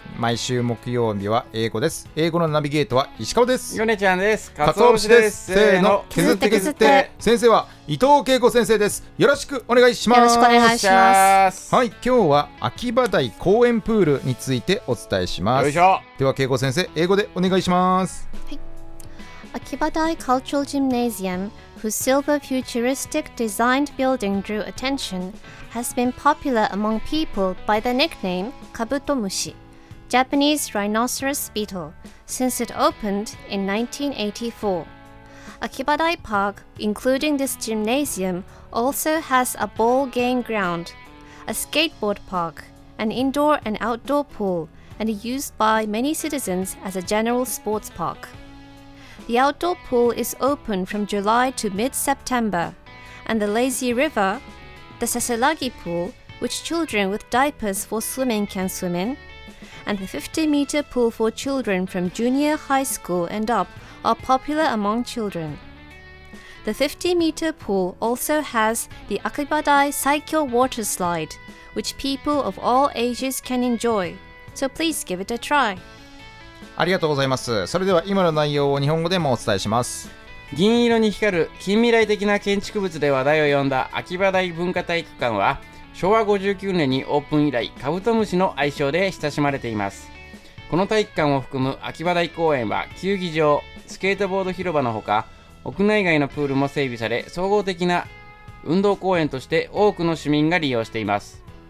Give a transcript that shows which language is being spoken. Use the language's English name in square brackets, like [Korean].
[Japanese] 毎週木曜日は英語です。英語のナビゲートは石川です。米ちゃんです。カツオ節です。せーの、削って削って。先生は伊藤恵子先生です。よろしくお願いします。よろしくお願いします。はい、今日は秋葉台公園プールについてお伝えします。よいしょ。では恵子先生、英語でお願いします。はい。 [English] 秋葉台カルチュラルジムナジアム、whose silver futuristic designed building drew attention, has been popular among people by the nickname Kabutomushi, Japanese rhinoceros beetle, since it opened in 1984. Akibadai Park, including this gymnasium, also has a ball game ground, a skateboard park, an indoor and outdoor pool, and used by many citizens as a general sports park. The outdoor pool is open from July to mid-September, and the lazy river, the Sasalagi pool, which children with diapers for swimming can swim in, and the 50-meter pool for children from junior high school and up are popular among children. The 50-meter pool also has the Akibadai Saikyo water slide, which people of all ages can enjoy, so please give it a try. [Japanese] ありがとうございます。それでは今の内容を日本語でもお伝えします。銀色に光る近未来的な建築物で話題を呼んだ秋葉台文化体育館は、昭和59年にオープン以来、カブトムシの愛称で親しまれています。この体育館を含む秋葉台公園は、球技場、スケートボード広場のほか、屋内外のプールも整備され、総合的な運動公園として多くの市民が利用しています。